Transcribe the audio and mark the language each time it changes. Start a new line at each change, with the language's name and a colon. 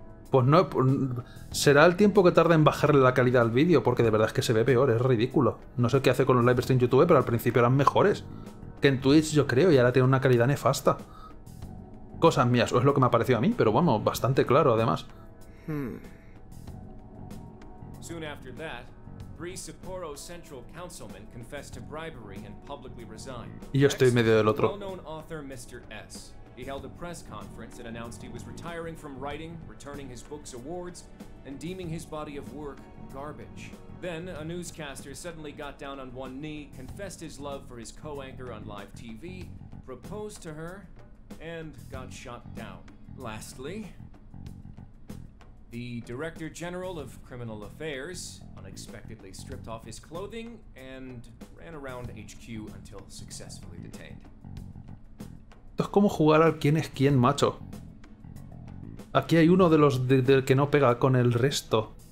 Spanish: Pues no, será el tiempo que tarda en bajarle la calidad al vídeo, porque de verdad es que se ve peor, es ridículo. No sé qué hace con los live streams en YouTube, pero al principio eran mejores que en Twitch, yo creo, y ahora tiene una calidad nefasta. Cosas mías, o es lo que me ha parecido a mí, pero bueno, bastante claro, además.
English: Soon after that, Bree Sapporo's central councilman confessed to bribery and publicly resigned.
Spanish: Y yo estoy en medio del otro.
English: Well-known author Mr. S. He held a press conference and announced he was retiring from writing, returning his book's awards, and deeming his body of work garbage. Then, a newscaster suddenly got down on one knee, confessed his love for his co-anchor on live TV, proposed to her, and got shot down. Lastly, the Director General of Criminal Affairs unexpectedly stripped off his clothing and ran around HQ until successfully detained.
Spanish: Es como jugar al quién es quién, macho. Aquí hay uno de los del que no pega con el resto.